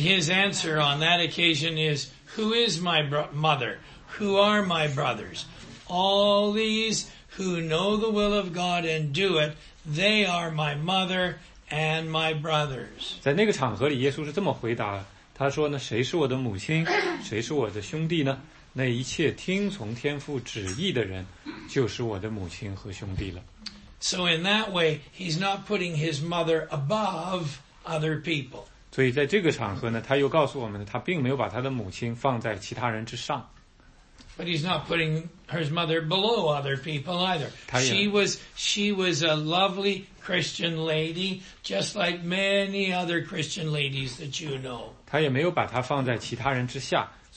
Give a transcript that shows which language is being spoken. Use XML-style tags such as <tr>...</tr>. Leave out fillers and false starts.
<en>his answer on that occasion is, "Who is my mother? Who are my brothers? All these who know the will of God and do it, they are my mother and my brothers."</en> <zh>在那个场合里，耶稣是这么回答的，他说呢，谁是我的母亲？谁是我的兄弟呢？那一切听从天父旨意的人，就是我的母亲和兄弟了。So</zh> <en>in that way, he's not putting his mother above other people.</en> <zh>所以在这个场合呢，他又告诉我们，他并没有把他的母亲放在其他人之上。But</zh> <en>he's not putting his mother below other people either.</en> <zh>他也,</zh> <en>she was a lovely Christian lady, just like many other Christian ladies that you know.</en> <zh>他也没有把她放在其他人之下。</zh>